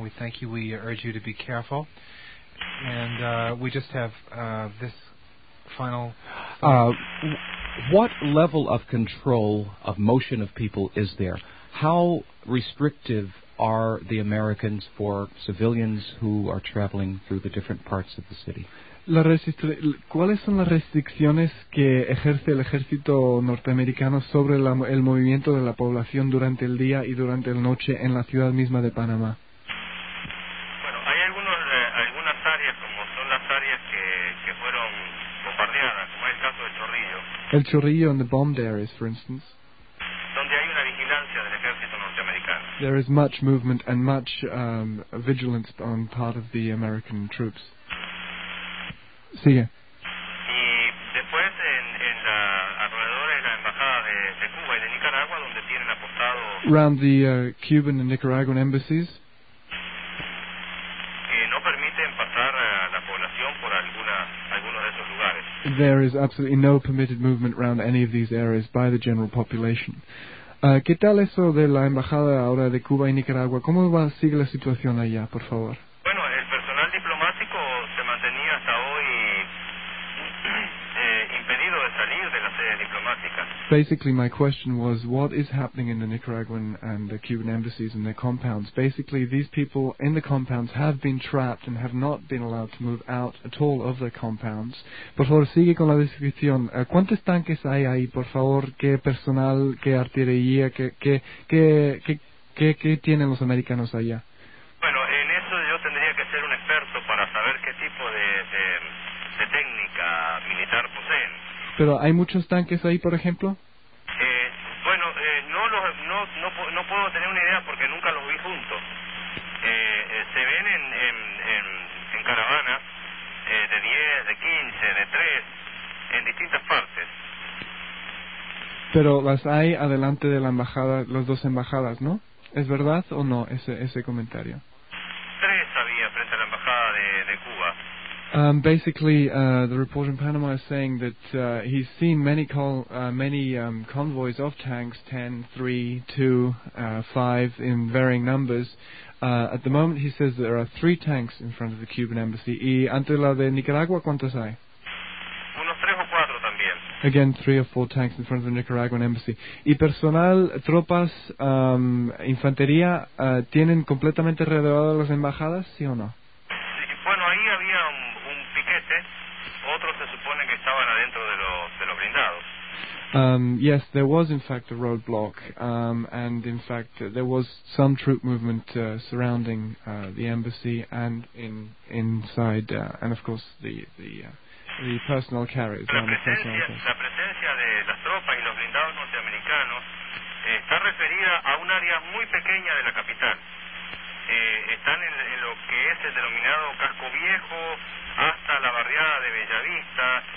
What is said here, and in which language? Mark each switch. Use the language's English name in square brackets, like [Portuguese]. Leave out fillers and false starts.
[English] We thank you. We urge you to be careful. And we just have this final What level of control of motion of people is there? How restrictive are the Americans for civilians who are traveling through the different parts of the city? [Spanish] ¿Cuáles son las restricciones que ejerce el ejército norteamericano sobre el movimiento de la población durante el día y durante la noche en la ciudad misma de Panamá? Bueno, hay algunas áreas, como son las áreas que fueron bombardeadas, como es el caso del Chorrillo. [English] El Chorrillo and the bombed areas, for instance. [Spanish] Donde hay una vigilancia del ejército norteamericano. [English] There is much movement and much vigilance on part of the American troops. [Spanish] Sigue. Y después en la alrededor de la embajada de Cuba y de Nicaragua, donde tienen apostado. [English] Around the Cuban and Nicaraguan embassies. [Spanish] Que no permiten pasar a la población por algunos de esos lugares. [English] There is absolutely no permitted movement around any of these areas by the general population. [Spanish] ¿Qué tal eso de la embajada ahora de Cuba y Nicaragua? ¿Cómo va sigue la situación allá, por favor? [English] Basically, my question was, what is happening in the Nicaraguan and the Cuban embassies and their compounds? Basically, these people in the compounds have been trapped and have not been allowed to move out at all of their compounds. [Spanish] Por favor, sigue con la descripción. ¿Cuántos tanques hay ahí, por favor? ¿Qué personal, qué artillería, qué tienen los americanos allá? Bueno, en eso yo tendría que ser un experto para saber qué tipo de técnica militar poseen. ¿Pero hay muchos tanques ahí, por ejemplo? No puedo tener una idea porque nunca los vi juntos. Se ven en caravanas de 10, de 15, de 3, en distintas partes. Pero las hay adelante de la embajada, las dos embajadas, ¿no? ¿Es verdad o no ese comentario? Tres había frente a la embajada de Cuba. [English] Basically, the report in Panama is saying that he's seen many convoys of tanks, 10, 3, 2, 5, in varying numbers. At the moment, he says there are 3 tanks in front of the Cuban embassy. [Spanish] ¿Y ante la de Nicaragua, cuántos hay? Unos 3 o 4 también. [English] Again, 3 or 4 tanks in front of the Nicaraguan embassy. [Spanish] ¿Y personal, tropas, infantería, tienen completamente relevado las embajadas, sí o no? [English] Yes, there was in fact a roadblock, and in fact there was some troop movement surrounding the embassy and inside, and of course the personnel carriers. [Spanish] La presencia de las tropas y los blindados norteamericanos está referida a un área muy pequeña de la capital. Están en lo que es el denominado casco viejo hasta la barriada de Bellavista.